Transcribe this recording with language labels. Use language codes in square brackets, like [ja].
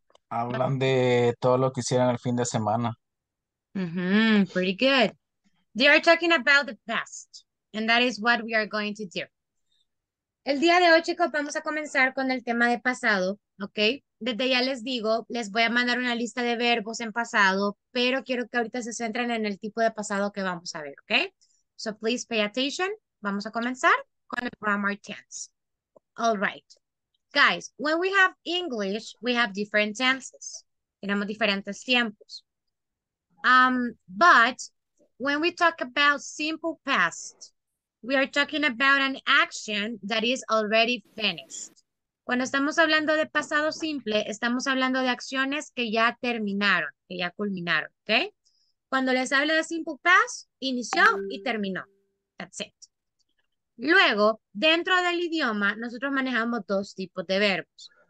[es] Hablan de todo lo que hicieron el fin de semana. [en] Mm-hmm. Pretty good. They are talking about the past, and that is what we are going to do. [es] El día de hoy, chicos, vamos a comenzar con el tema de pasado, ¿ok? Desde ya les digo, les voy a mandar una lista de verbos en pasado, pero quiero que ahorita se centren en el tipo de pasado que vamos a ver, ¿ok? [en] So please pay attention. [es] Vamos a comenzar con el [en] grammar tense. All right. Guys, when we have English, we have different tenses. [es] Tenemos diferentes tiempos. [en] But when we talk about simple past, we are talking about an action that is already finished. [es] Cuando estamos hablando de pasado simple, estamos hablando de acciones que ya terminaron, que ya culminaron, ¿okay? Cuando les hablo de simple past, inició y terminó. [en] That's it. [es] Luego, dentro del idioma, nosotros manejamos dos tipos de verbos.